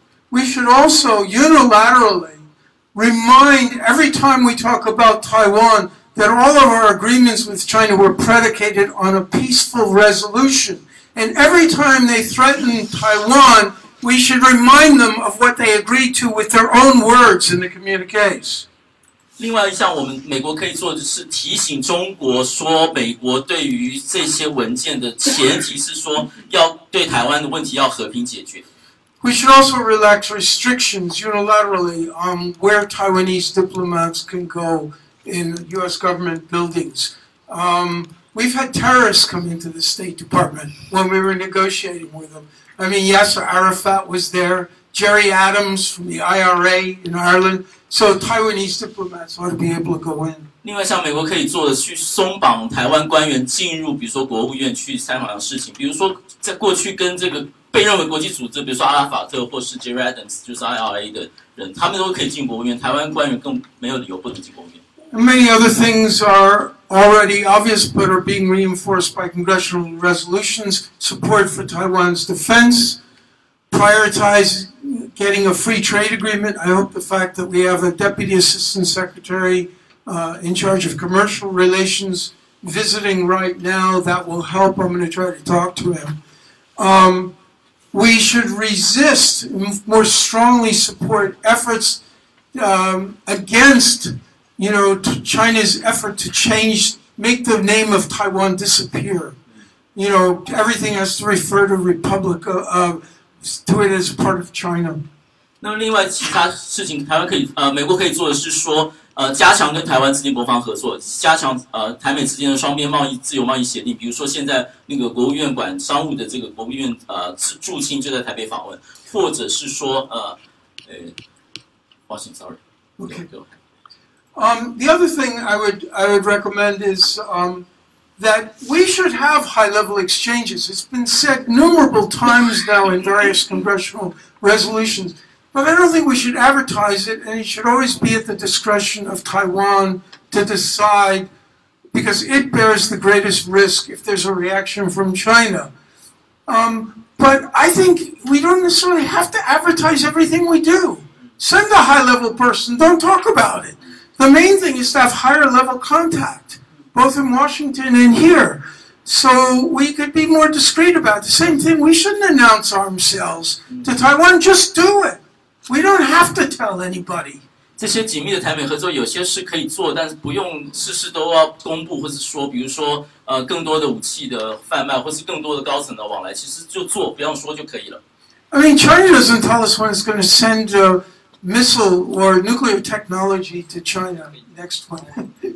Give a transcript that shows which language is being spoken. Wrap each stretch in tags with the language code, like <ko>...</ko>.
<en>We should also unilaterally remind every time we talk about Taiwan that all of our agreements with China were predicated on a peaceful resolution. And every time they threaten Taiwan, we should remind them of what they agreed to with their own words in the communiques.</en> <zh>另外一项我们美国可以做的是提醒中国说美国对于这些文件的前提是说要对台湾的问题要和平解决。</zh> <en>We should also relax restrictions unilaterally on where Taiwanese diplomats can go in U.S. government buildings. We've had terrorists come into the State Department when we were negotiating with them. I mean, Yasser Arafat was there, Jerry Adams from the IRA in Ireland. So Taiwanese diplomats ought to be able to go in.</en> <zh>另外，像美国可以做的，去松绑台湾官员进入，比如说国务院去采访的事情。比如说，在过去跟这个被认为国际组织，比如说阿拉法特或是 Jerry Adams， 就是 IRA 的人，他们都可以进国务院。台湾官员更没有理由不能进国务院。</zh> <en>Many other things are already obvious, but are being reinforced by congressional resolutions. Support for Taiwan's defense. Prioritize getting a free trade agreement. I hope the fact that we have a deputy assistant secretary in charge of commercial relations visiting right now, that will help. I'm going to try to talk to him. We should resist, more strongly support efforts against, you know, China's effort to change, make the name of Taiwan disappear. You know, everything has to refer to Republic of... Do it as part of China.</en> <zh>那么另外其他事情，台湾可以美国可以做的是说加强跟台湾之间国防合作，加强台美之间的双边贸易自由贸易协定。比如说现在那个国务院管商务的这个国务院驻青就在台北访问，或者是说抱歉 ，</zh> <en>sorry. Okay. The other thing I would recommend is that we should have high-level exchanges. It's been said numerous times now in various congressional resolutions, but I don't think we should advertise it, and it should always be at the discretion of Taiwan to decide, because it bears the greatest risk if there's a reaction from China. But I think we don't necessarily have to advertise everything we do. Send a high-level person, don't talk about it. The main thing is to have higher-level contact. Both in Washington and here. So we could be more discreet about it. The same thing, we shouldn't announce arms sales to Taiwan, just do it. We don't have to tell anybody.</en> <zh>这些紧密的台美合作有些是可以做，但是不用事事都要公布，或是说比如说更多的武器的贩卖，或是更多的高层的往来，其实就做，不要说就可以了。</zh> <en>I mean, China doesn't tell us when it's going to send a missile or nuclear technology to China next one.</en>